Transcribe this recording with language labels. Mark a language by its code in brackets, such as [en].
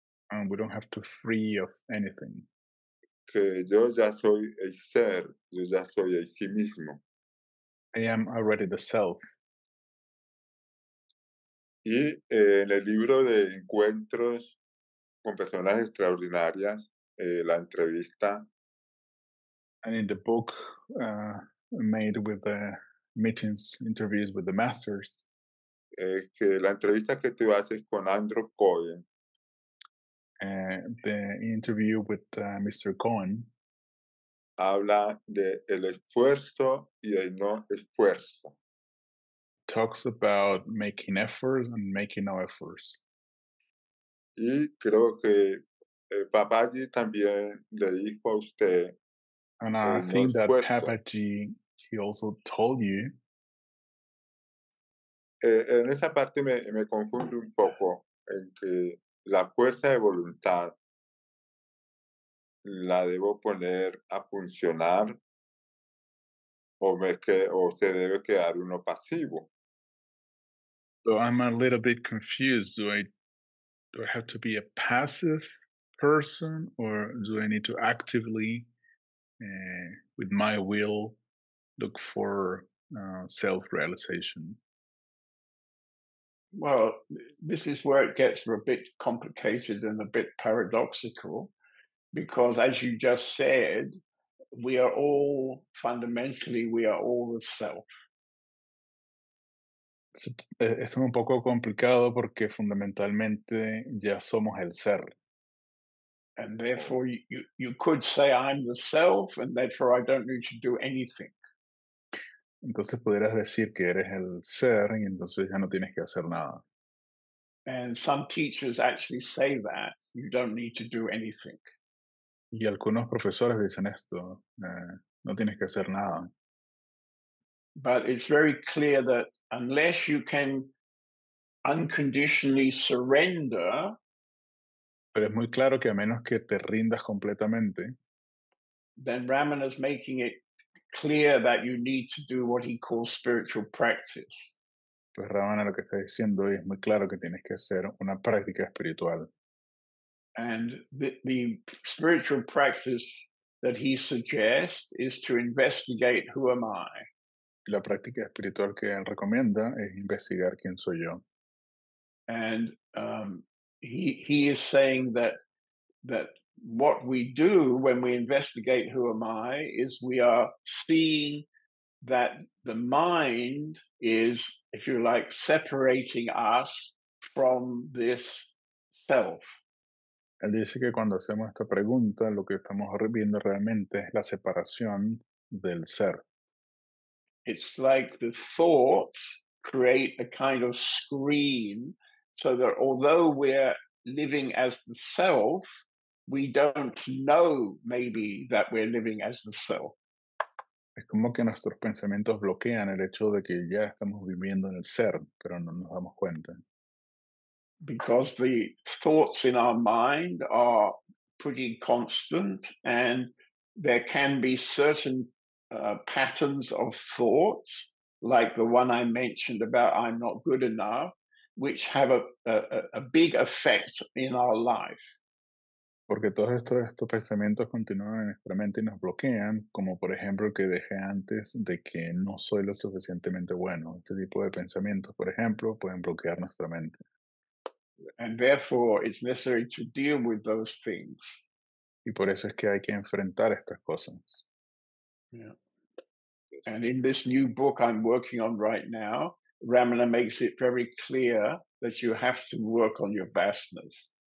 [en] And we don't have to free of anything. [es] Que yo ya soy el ser, yo ya soy el sí mismo. [en] I am already the self. [es] Y en el libro de encuentros con personas extraordinarias, la entrevista. [en] And in the book made with the meetings, interviews with the masters. [es] Que la entrevista que tú haces con Andrew Cohen. [en] The interview with Mr. Cohen. [es] Habla de el esfuerzo y el no esfuerzo. [en] Talks about making efforts and making no efforts. [es] Y creo que Papaji también le dijo a usted. [en] And I think that Papaji, he also told you. [es] En esa parte me confundo un poco en que la fuerza de voluntad la debo poner a funcionar o se debe quedar uno pasivo. [en] So I'm a little bit confused. Do I have to be a passive person or do I need to actively with my will look for self-realization? Well, this is where it gets a bit complicated and a bit paradoxical, because as you just said, we are all fundamentally the self. [es] Es un poco complicado porque fundamentalmente ya somos el ser. [en] And therefore you could say I'm the self and therefore I don't need to do anything. [es] Entonces podrías decir que eres el ser y entonces ya no tienes que hacer nada. [en] And some teachers actually say that you don't need to do anything. [es] Y algunos profesores dicen esto, no tienes que hacer nada. [en] But it's very clear that unless you can unconditionally surrender, [es] pero es muy claro que a menos que te rindas completamente, [en] then Ramana is making it clear that you need to do what he calls spiritual practice. [es] Pues Ramana lo que está diciendo es muy claro que tienes que hacer una práctica espiritual. [en] And the spiritual practice that he suggests is to investigate who am I. [es] La práctica espiritual que él recomienda es investigar quién soy yo. [en] And he is saying that what we do when we investigate who am I is we are seeing that the mind is, if you like, separating us from this self. [es] Él dice que cuando hacemos esta pregunta, lo que estamos viendo realmente es la separación del ser. [en] It's like the thoughts create a kind of screen so that although we're living as the self, we don't know maybe that we're living as the soul. [es] Es como que nuestros pensamientos bloquean el hecho de que ya estamos viviendo en el ser, pero no nos damos cuenta. [en] Because the thoughts in our mind are pretty constant, and there can be certain patterns of thoughts, like the one I mentioned about I'm not good enough, which have a big effect in our life. [es] Porque todos estos pensamientos continúan en nuestra mente y nos bloquean, como por ejemplo que dejé antes de que no soy lo suficientemente bueno. Este tipo de pensamientos, por ejemplo, pueden bloquear nuestra mente. [en] And therefore, it's necessary to deal with those things. [es] Y por eso es que hay que enfrentar estas cosas. [en] Yeah. And in this new book I'm working on right now, Ramana makes it very clear that you have to work on your vastness.